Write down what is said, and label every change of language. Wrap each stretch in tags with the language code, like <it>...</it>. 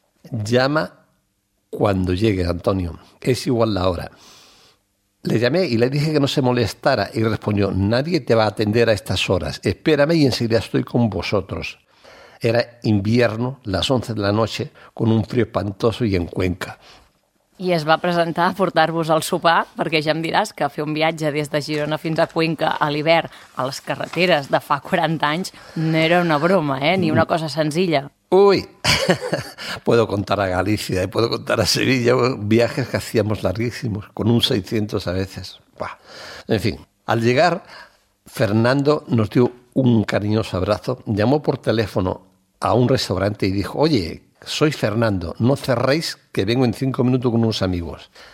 <es>Llama cuando llegue, Antonio. Es igual la hora. Le llamé y le dije que no se molestara y respondió, nadie te va a atender a estas horas. Espérame y enseguida estoy con vosotros. Era invierno, las 11 de la noche, con un frío espantoso y en Cuenca.</es> <ca>I es va presentar a portar-vos al sopar, perquè ja em diràs que fer un viatge des de Girona fins a Cuenca a l'hivern, a les carreteres de fa 40 anys, no era una broma, ni una cosa senzilla.</ca> <es>Ui, puedo contar a Galicia, puedo contar a Sevilla, viajes que hacíamos larguísimos, con un 600 a veces. Buah. En fin, al llegar, Fernando nos dio un cariñoso abrazo, llamó por teléfono a un restaurante y dijo, oye, soy Fernando, no cerréis que vengo en 5 minutos con unos amigos.</es>